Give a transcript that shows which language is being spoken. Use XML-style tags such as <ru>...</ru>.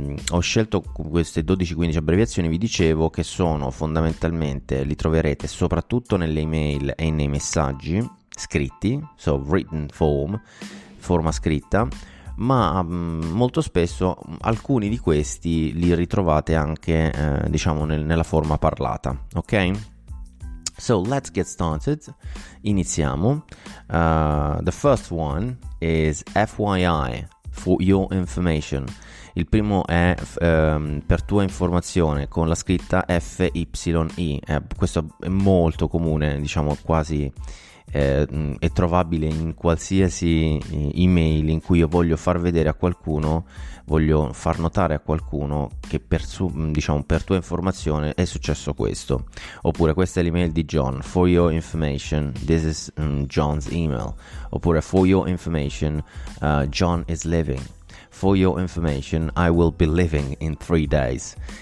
<it>Ho scelto queste 12-15 abbreviazioni, vi dicevo, che sono fondamentalmente, li troverete soprattutto nelle email e nei messaggi scritti,</it> <en>so written form,</en> <it>forma scritta. Ma molto spesso alcuni di questi li ritrovate anche, diciamo, nella forma parlata, ok?</it> <en>So, let's get started.</en> <it>Iniziamo.</it> <en>The first one is FYI, for your information.</en> <it>Il primo è per tua informazione, con la scritta FYI. Questo è molto comune, diciamo, quasi è trovabile in qualsiasi email in cui io voglio far vedere a qualcuno, voglio far notare a qualcuno che per tua informazione è successo questo, oppure questa è l'email di John,</it> <en>for your information, this is John's email,</en> <it>oppure</it> <en>for your information, John is leaving, for your information, I will be leaving in 3 days.</en>